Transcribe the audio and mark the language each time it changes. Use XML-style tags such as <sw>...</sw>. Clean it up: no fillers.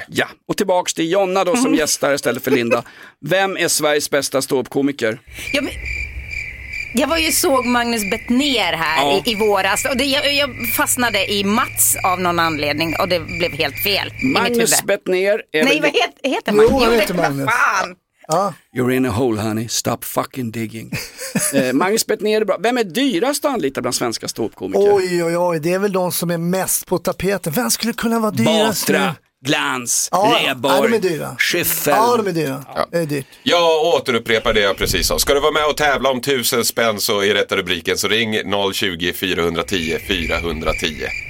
<sv>Ja, och tillbaka till Jonna då som gästar istället för Linda. Vem är Sveriges bästa ståuppkomiker? Ja, men... Jag var ju såg Magnus Bettner här i våras och jag fastnade i Mats av någon anledning och det blev helt fel. Magnus Bettner. Nej, vad heter Magnus? Jo, heter Magnus. Fan.</sv> <en>You're in a hole honey, stop fucking digging.</en> <sv>Magnus Bettner är bra. Vem är dyrast att anlita bland svenska ståuppkomiker? Oj, oj, oj, det är väl de som är mest på tapeten. Vem skulle kunna vara dyrast? Batra. Glans, Reborg, Schiffel. Ja, de är dyra. Jag återupprepar det jag precis sa. Ska du vara med och tävla om 1000 spänn så i rätta rubriken så ring 020 410 410.</sv>